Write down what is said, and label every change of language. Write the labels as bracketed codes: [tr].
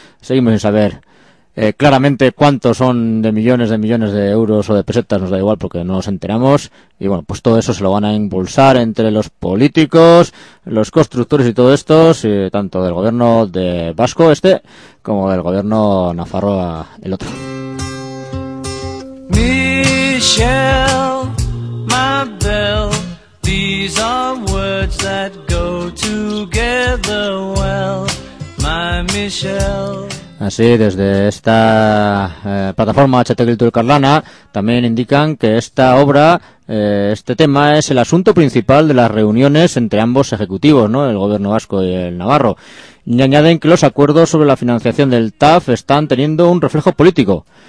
[es] Seguimos sin saber claramente cuántos son de millones de euros o de pesetas, nos da igual porque no nos enteramos. Y bueno, pues todo eso se lo van a impulsar entre los políticos, los constructores y todo esto, y tanto del gobierno de Vasco este como del gobierno Nafarroa el otro. [en] Michelle, my belle, these are words that go together well, my Michelle. [es] Así, desde esta plataforma HT Cultura Carlana también indican que esta obra, este tema es el asunto principal de las reuniones entre ambos ejecutivos, ¿no?, el gobierno vasco y el navarro. Y añaden que los acuerdos sobre la financiación del TAF están teniendo un reflejo político.